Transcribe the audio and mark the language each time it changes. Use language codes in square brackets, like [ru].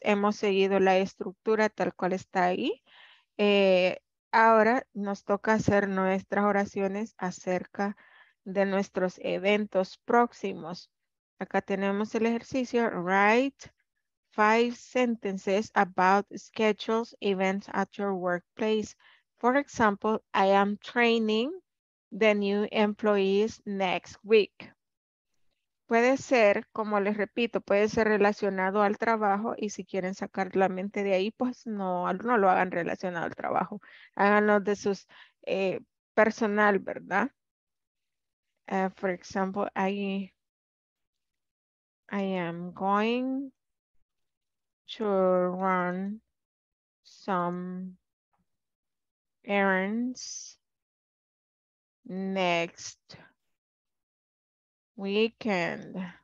[es] Hemos seguido la estructura tal cual está ahí. Ahora nos toca hacer nuestras oraciones acerca de nuestros eventos próximos. Acá tenemos el ejercicio. [en] Write 5 sentences about schedules, events at your workplace. For example, I am training the new employees next week. [es] Puede ser, como les repito, puede ser relacionado al trabajo y si quieren sacar la mente de ahí, pues no lo hagan relacionado al trabajo. Háganlo de sus personal, ¿verdad? [en] For example, I am going to run some errands next weekend.